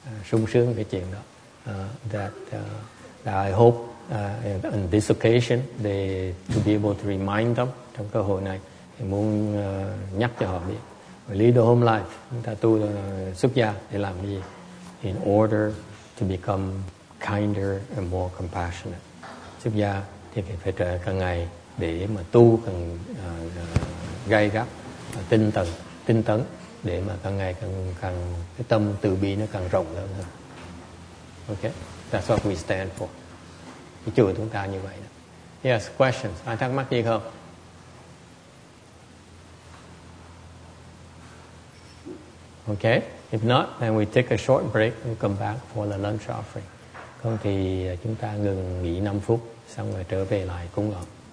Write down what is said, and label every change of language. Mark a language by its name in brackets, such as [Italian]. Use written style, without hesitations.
[Vietnamese] sung sướng cái chuyện đó. [English] That I hope in this occasion to be able to remind them. [Vietnamese] Trong cơ hội này thì muốn nhắc cho họ biết lý do [English] home life, [Vietnamese] chúng ta tu xuất gia để làm gì, [English] in order to become kinder and more compassionate. [Vietnamese] Xuất gia thì phải trở càng ngày để mà tu càng gay gắt, tinh tấn để mà càng ngày càng cái tâm từ bi nó càng rộng lớn hơn. [English] Okay, that's what we stand for. [Vietnamese] Cái chùa chúng ta như vậy đó. [English] Yes, questions, [Vietnamese] ai thắc mắc gì không? [English] Okay, if not, then we take a short break and come back for the lunch offering. [Vietnamese] Không thì chúng ta ngừng nghỉ 5 phút, xong rồi trở về lại cúng ngọn.